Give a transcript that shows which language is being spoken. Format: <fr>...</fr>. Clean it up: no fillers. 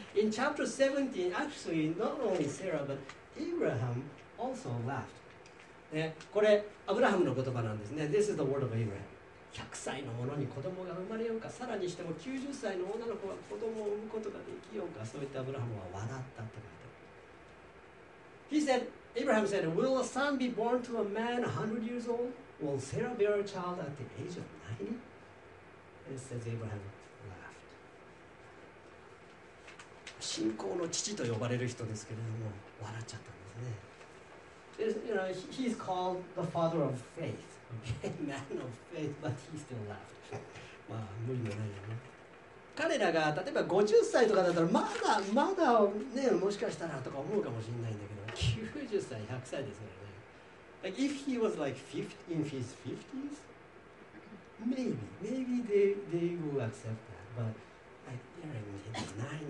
<en>In chapter 17, actually, not only Sarah, but Abraham also laughed.、</en> <ja>ね、これ、アブラハムの言葉なんですね。</ja> <en>This is the word of Abraham.</en> <ja>100歳の者に子供が生まれようか、さらにしても90歳の女の子が子供を産むことができようか、そう言ってアブラハムは笑ったと書いてある。</ja> <en>He said, Abraham said, Will a son be born to a man 100 years old? Will Sarah bear a child at the age of 90? And says Abraham laughed.</en> <ja>信仰の父と呼ばれる人ですけれども、笑っちゃったんですね。</ja> <en>You know, he's called the father of faith, a man of faith, but he still laughed.</en> <ja>まあ無理もないよね。彼らが例えば50歳とかだったらまだね、もしかしたらとか思うかもしれないんだけど、90歳、100歳ですからね。</ja> <en>Like if he was like 50 in his 50s, maybe they will accept that, but like they're in the 90s and 100s.</en>